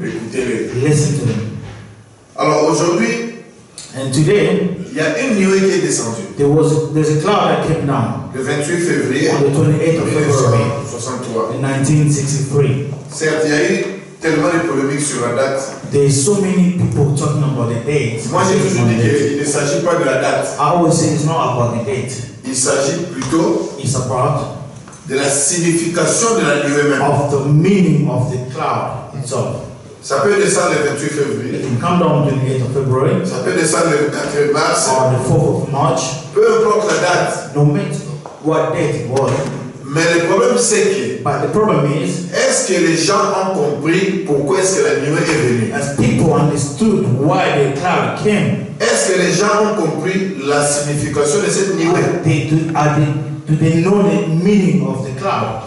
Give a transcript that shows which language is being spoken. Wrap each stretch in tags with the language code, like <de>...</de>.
<fr>Écoutez-le.</fr> <en>Listen to him.</en> <fr>Alors aujourd'hui,</fr> <en>and today,</en> <fr>il y a une nuée qui est descendue.</fr> <en>There's a cloud that came down.</en> <fr>Le 28 février.</fr> <en>On the 28th of February.</en> <fr>1963.</fr> <en>In 1963.</en> <fr>Certes, il y a eu tellement de polémiques sur la date.</fr> <en>There is so many people talking about the date.</en> <fr>Moi, j'ai toujours dit qu'il ne s'agit pas de la date.</fr> <en>I always say it's not about the date.</en> <fr>Il s'agit plutôt.</fr> <en>It's about</en> <fr>de la signification de la nuée même.</fr> <en>Of the meaning of the cloud itself.</en> <fr>Ça peut descendre le 28 février.</fr> <en>It can come down on the 28th of February.</en> <fr>Ça peut descendre le 4 mars.</fr> <en>Or the 4th of March.</en> <fr>Peu importe la date.</fr> <en>No matter what date it was.</en> <fr>Mais le problème c'est que.</fr> <en>But the problem is.</en> <fr>Est-ce que les gens ont compris pourquoi est-ce que la nuée est venue?</fr> <en>As people understood why the cloud came.</en> <fr>Est-ce que les gens ont compris la signification de cette nuée?</fr> <en>Do they know the meaning of the cloud?</en>